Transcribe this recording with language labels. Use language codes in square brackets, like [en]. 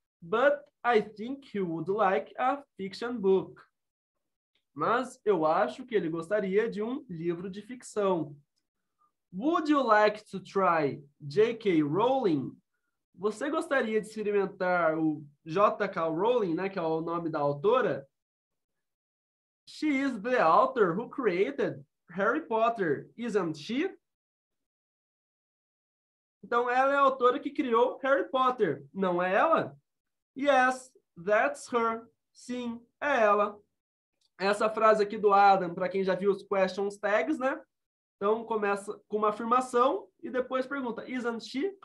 [en] But I think he would like a fiction book. [pt] Mas eu acho que ele gostaria de um livro de ficção. [en] Would you like to try J.K. Rowling? [pt] Você gostaria de experimentar o J.K. Rowling, né, que é o nome da autora? [en] She is the author who created Harry Potter, isn't she? [pt] Então, ela é a autora que criou Harry Potter, não é ela? [en] Yes, that's her. [pt] Sim, é ela. Essa frase aqui do Adam, para quem já viu os questions tags, né? Então, começa com uma afirmação e depois pergunta, [en] isn't she?